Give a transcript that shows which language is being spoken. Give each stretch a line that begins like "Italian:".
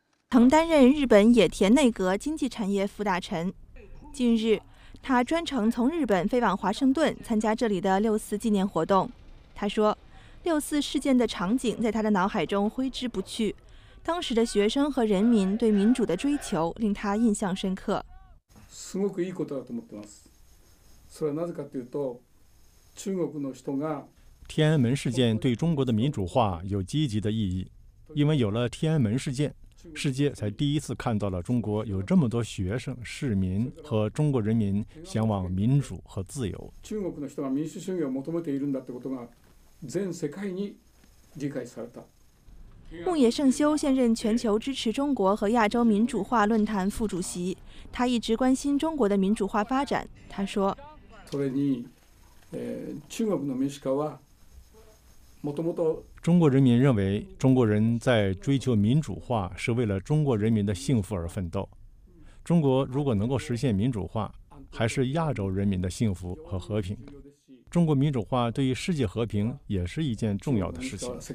Chinese: 曾担任日本野田内阁经济产业副大臣，近日他专程从日本飞往华盛顿参加这里的六四纪念活动。他说，六四事件的场景在他的脑海中挥之不去，当时的学生和人民对民主的追求令他印象深刻。
Japanese: すごくいいことだと思ってます。それはなぜかというと、中国の人が
Chinese: 天安门事件对中国的民主化有积极的意义，因为有了天安门事件，世界才第一次看到了中国有这么多学生、市民和中国人民向往民主和自由。
Japanese: 中国の人が民主主義を求めているんだってことが全世界に理解された。
Chinese: 牧野圣修现任全球支持中国和亚洲民主化论坛副主席，他一直关心中国的民主化发展。他说：“
Japanese: それに、中国の民主化はもともと。”
Chinese: 中国人民认为中国人在追求民主化是为了中国人民的幸福而奋斗，中国如果能够实现民主化，还是亚洲人民的幸福和和平，中国民主化对于世界和平也是一件重要的事情。